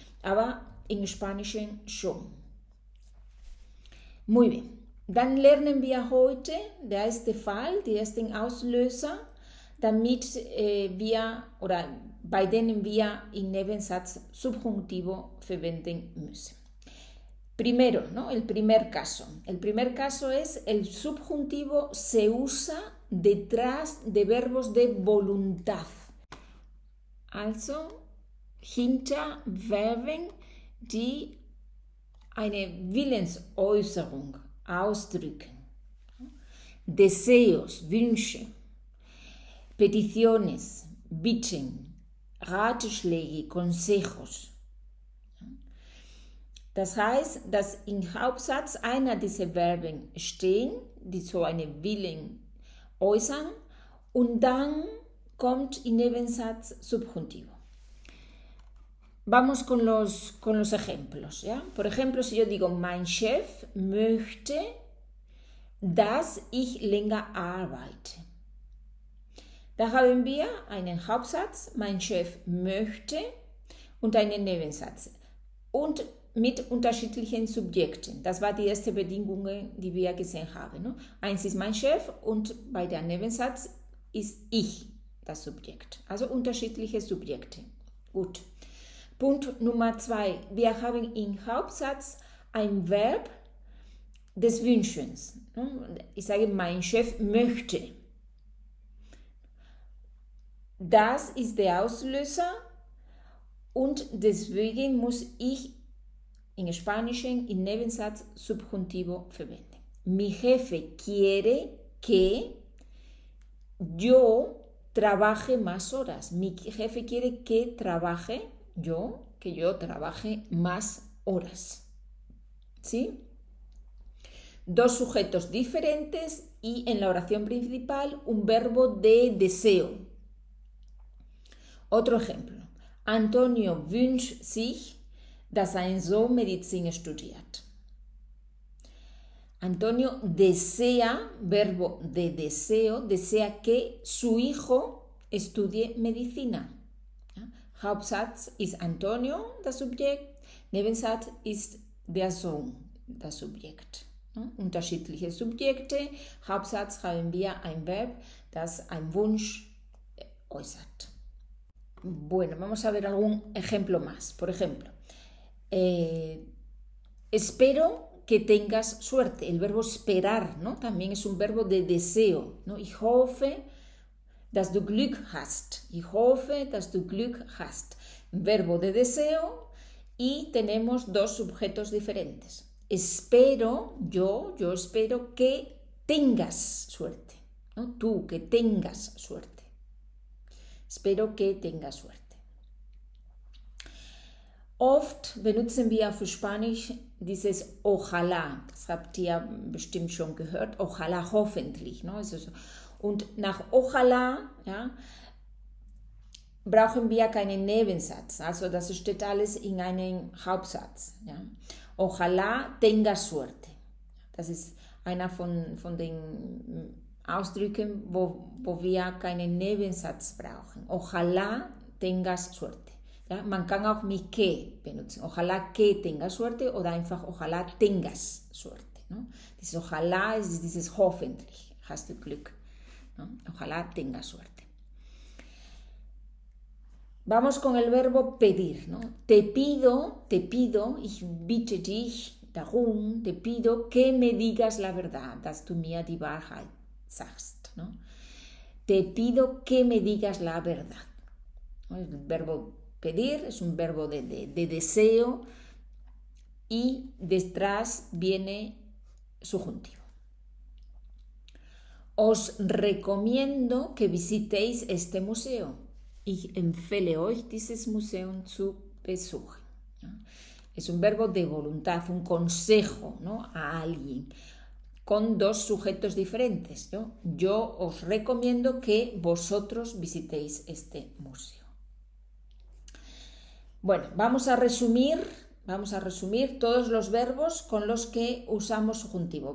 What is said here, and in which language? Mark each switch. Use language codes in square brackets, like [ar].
[de] Aber im Spanischen schon. [es] Muy bien. [de] Dann lernen wir heute der erste Fall, die ersten Auslöser, damit wir oder bei denen wir im Nebensatz Subjuntivo verwenden müssen. [es] Primero, ¿no? El primer caso. El primer caso es el subjuntivo se usa detrás de verbos de voluntad. [de] Also hinter Verben, die eine Willensäußerung ausdrücken. Deseos, Wünsche, Peticiones, Bitten, Ratschläge, Consejos. Das heißt, dass im Hauptsatz einer dieser Verben stehen, die so einen Willen äußern, und dann kommt im Nebensatz Subjuntivo. [es] Vamos con los ejemplos, ¿ya? Por ejemplo, si yo digo, [de] mein Chef möchte, dass ich länger arbeite. Da haben wir einen Hauptsatz, mein Chef möchte, und einen Nebensatz. Und mit unterschiedlichen Subjekten. Das war die erste Bedingung, die wir gesehen haben. Ne? Eins ist mein Chef und bei der Nebensatz ist ich das Subjekt. Also unterschiedliche Subjekte. Gut. Punkt Nummer zwei. Wir haben im Hauptsatz ein Verb des Wünschens. Ne? Ich sage, mein Chef möchte. Das ist der Auslöser und deswegen muss ich im Spanischen im Nebensatz Subjuntivo verwenden. [es] Mi jefe quiere que yo trabaje más horas. Mi jefe quiere que yo trabaje más horas. ¿Sí? Dos sujetos diferentes y en la oración principal un verbo de deseo. Otro ejemplo. [de] Antonio wünscht sich, dass sein Sohn Medizin studiert. [es] Antonio desea, verbo de deseo, desea que su hijo estudie Medicina. [de] Ja? Hauptsatz ist Antonio, das Subjekt. Nebensatz ist der Sohn, das Subjekt. Ja? Unterschiedliche Subjekte. Hauptsatz haben wir ein Verb, das einen Wunsch äußert. [es] Bueno, vamos a ver algún ejemplo más. Por ejemplo, espero que tengas suerte. El verbo esperar, ¿no? También es un verbo de deseo, ¿no? [de] Ich hoffe, dass du Glück hast. Ich hoffe, dass du Glück hast. [es] Verbo de deseo y tenemos dos sujetos diferentes. Espero, yo espero que tengas suerte, ¿no? Tú, que tengas suerte. Espero que tengas suerte. [de] Oft benutzen wir für Spanisch dieses Ojalá. Das habt ihr bestimmt schon gehört. Ojalá, hoffentlich. Ne? Also, und nach Ojalá, ja, brauchen wir keinen Nebensatz. Also das steht alles in einem Hauptsatz. Ja. [es] Ojalá tenga suerte. [de] Das ist einer von den Ausdrücken, wo wir keinen Nebensatz brauchen. [es] Ojalá tengas suerte. [de] Ja, man kann auch mi que benutzen. [es] Ojalá que tengas suerte [de] oder einfach [es] ojalá tengas suerte. [de] Ne? Dieses ojalá ist dieses hoffentlich, hast du Glück. Ne? [es] Ojalá tengas suerte. Vamos con el verbo pedir, ¿no? Te pido, [de] ich bitte dich darum, [es] te pido que me digas la verdad, [de] dass du mir die Wahrheit sagst, [es] ¿no? Te pido que me digas la verdad. El verbo pedir es un verbo de deseo y detrás viene subjuntivo. Os recomiendo que visitéis este museo. [de] Ich empfehle euch dieses Museum zu besuchen. [es] Es un verbo de voluntad, un consejo, ¿no? A alguien con dos sujetos diferentes, ¿no? Yo os recomiendo que vosotros visitéis este museo. Bueno, vamos a resumir todos los verbos con los que usamos subjuntivo.